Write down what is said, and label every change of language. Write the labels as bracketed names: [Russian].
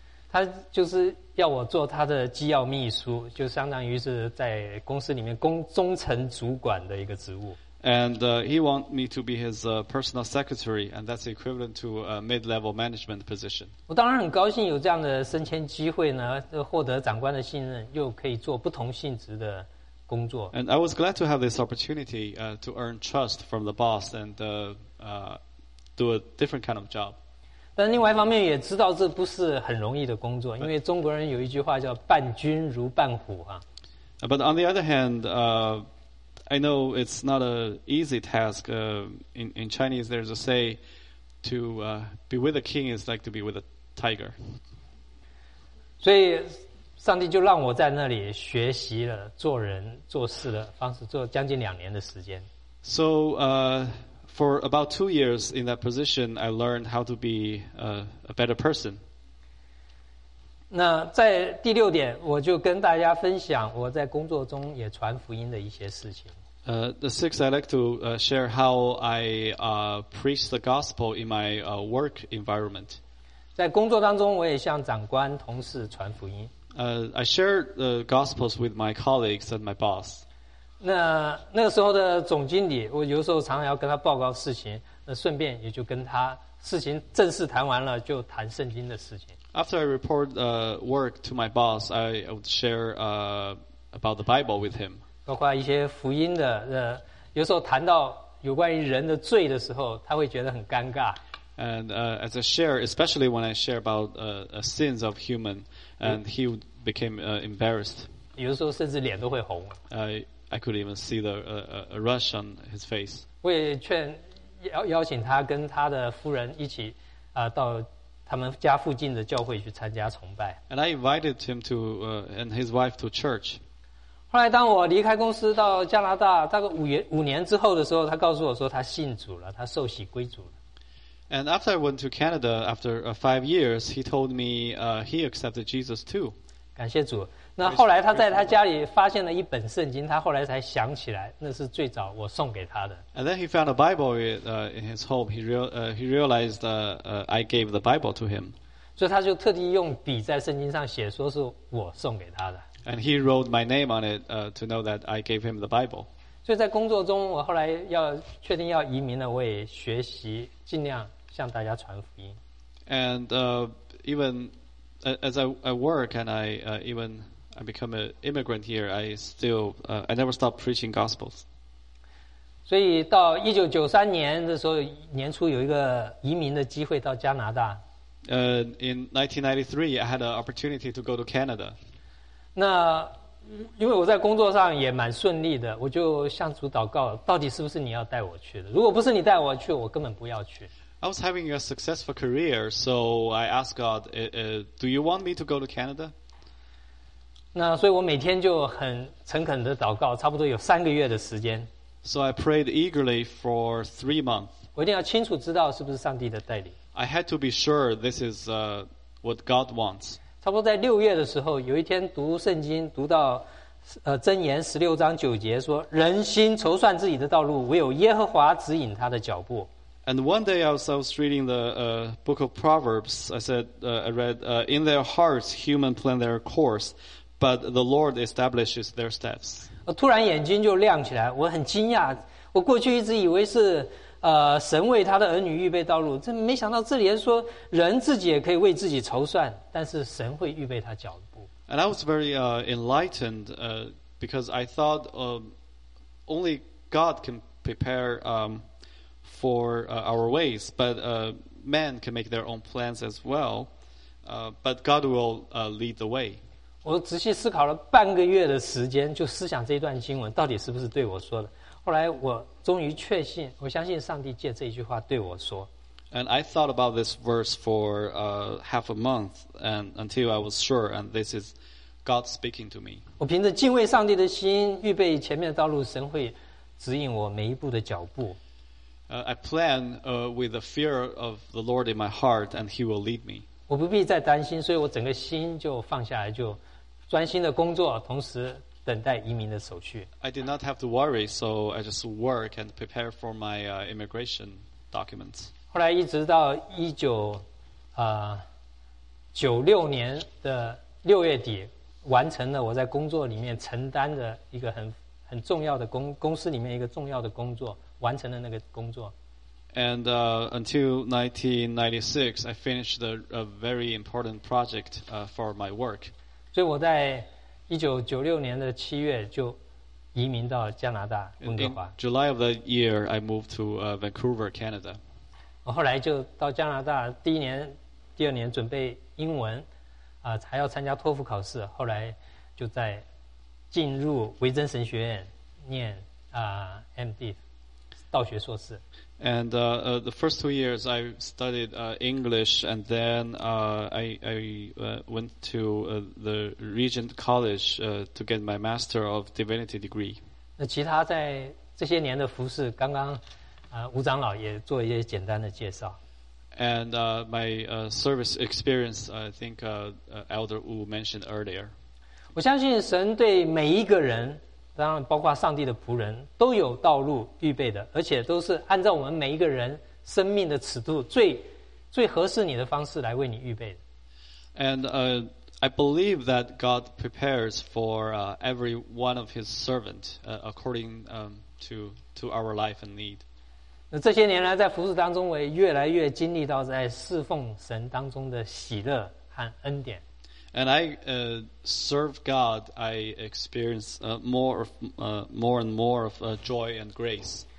[Chinese] 他就是要我做他的机要秘书，就相当于是在公司里面中层主管的一个职务。 [English] And he want me to be his personal secretary, and that's equivalent to a mid-level management position. [Chinese] 我当然很高兴有这样的升迁机会呢，获得长官的信任，又可以做不同性质的工作。 [English] And I was glad to have this opportunity to earn trust from the boss and do a different kind of job. [Chinese] 但另外一方面也知道这不是很容易的工作，因为中国人有一句话叫“伴君如伴虎”啊。 [English] But on the other hand, I know it's not an easy task. In Chinese, there's a say to be with a king is like to be with a tiger. [Chinese] 所以上帝就让我在那里学习了做人做事的方式，做将近两年的时间。 [English] So for about 2 years in that position, I learned how to be a better person. [Chinese] 那在第六点，我就跟大家分享我在工作中也传福音的一些事情。 [English] The sixth, I'd like to share how I preach the gospel in my work environment. [Chinese] 在工作当中，我也向长官、同事传福音。 [English] I share the gospels with my colleagues and my boss. [Chinese] 那个时候的总经理，我有时候常常要跟他报告事情，那顺便也就跟他事情正式谈完了，就谈圣经的事情。 [English] After I report work to my boss, I would share about the Bible with him. [Chinese] 包括一些福音的，有时候谈到有关于人的罪的时候，他会觉得很尴尬。 [English] And as I share, especially when I share about sins of human, and he became embarrassed. [Chinese] 有的时候甚至脸都会红。 [English] I could even see the a rush on his face. [Chinese] 我也劝邀请他跟他的夫人一起到他们家附近的教会去参加崇拜。 [English] And I invited him to and his wife to church. [Chinese] 后来当我离开公司到加拿大大概五年之后的时候，他告诉我说他信主了，他受洗归主了。 [English] And after I went to Canada after 5 years, he told me he accepted Jesus too. [Chinese] 感谢主。那后来他在他家里发现了一本圣经，他后来才想起来那是最早我送给他的。 [English] And then he found a Bible in his home. He realized I gave the Bible to him. [Chinese] 所以他就特地用笔在圣经上写说是我送给他的。 [English] And he wrote my name on it to know that I gave him the Bible. [Chinese] 所以在工作中，我后来要确定要移民了，我也学习尽量向大家传福音。 [English] And even as I work and I become an immigrant here, I still I never stop preaching gospels. [Chinese] 所以到1993年的时候，年初有一个移民的机会到加拿大。 [English] In 1993, I had an opportunity to go to Canada. [Chinese] 那因为我在工作上也蛮顺利的，我就向主祷告，到底是不是你要带我去的？如果不是你带我去，我根本不要去。 [English] I was having a successful career, so I asked God, "Do you want me to go to Canada?" [Chinese] 那所以我每天就很诚恳的祷告，差不多有3个月的时间。 [English] So I prayed eagerly for 3 months. [Chinese] 我一定要清楚知道是不是上帝的带领。 [English] I had to be sure this is what God wants. [Chinese] 差不多在6月的时候，有一天读圣经，读到箴言16:9，说人心筹算自己的道路，唯有耶和华指引他的脚步。 [English] And one day I was reading the book of Proverbs. I read, in their hearts human plan their course, but the Lord establishes their steps. [Chinese] 我突然眼睛就亮起来，我很惊讶，我过去一直以为是神为他的儿女预备道路，这没想到这里说人自己也可以为自己筹算，但是神会预备他脚步。 [English] And I was very enlightened because I thought only God can prepare for our ways, but man can make their own plans as well. But God will lead the way. [Chinese] 我仔细思考了半个月的时间，就思想这一段经文到底是不是对我说的。后来我终于确信，我相信上帝借这一句话对我说。 [English] And I thought about this verse for half a month, and until I was sure, and this is God speaking to me. [Chinese] 我凭着敬畏上帝的心，预备前面的道路，神会指引我每一步的脚步。 [English] I plan with the fear of the Lord in my heart, and He will lead me. [Chinese] 我不必再担心，所以我整个心就放下来，就专心的工作，同时等待移民的手续。 [English] I did not have to worry, so I just work and prepare for my immigration documents. [Chinese] 后来一直到1996年的六月底，完成了我在工作里面承担的一个很重要的公司里面一个重要的工作，完成了那个工作。 [English] And until 1996, I finished a very important project for my work. [Chinese] 所以我在1996年的七月就移民到加拿大温哥华。 [English] In July of that year, I moved to Vancouver, Canada. [Chinese] 我后来就到加拿大，第一年、第二年准备英文，还要参加托福考试。后来就在进入维珍神学院念MD， 道学硕士。 [English] And the first 2 years I studied English, and then I went to the Regent College to get my Master of Divinity degree. [Chinese] 那其他在这些年的服事，刚刚吴长老也做一些简单的介绍。 [English] And my service experience, I think Elder Wu mentioned earlier. [Chinese] 我相信神对每一个人，当然包括上帝的仆人，都有道路预备的，而且都是按照我们每一个人生命的尺度最合适你的方式来为你预备的。 [English] And I believe that God prepares for every one of his servant according to our life and need. [Chinese] 那这些年来在服事当中，我也越来越经历到在侍奉神当中的喜乐和恩典。 [English] And I serve God, I experience more and more of joy and grace.